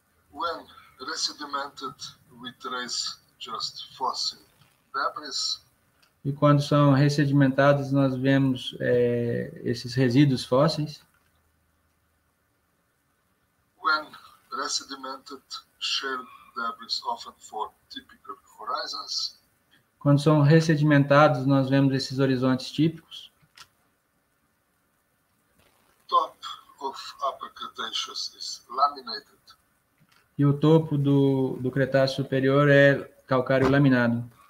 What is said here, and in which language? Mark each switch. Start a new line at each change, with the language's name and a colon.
English: When resedimented, we trace just fossil debris.
Portuguese: E quando são ressedimentados, nós vemos esses resíduos fósseis.
English: When resedimented, shale debris often form typical horizons.
Portuguese: Quando são ressedimentados, nós vemos esses horizontes típicos.
English: Top of upper Cretaceous is laminated.
Portuguese: E o topo do Cretáceo superior é calcário laminado.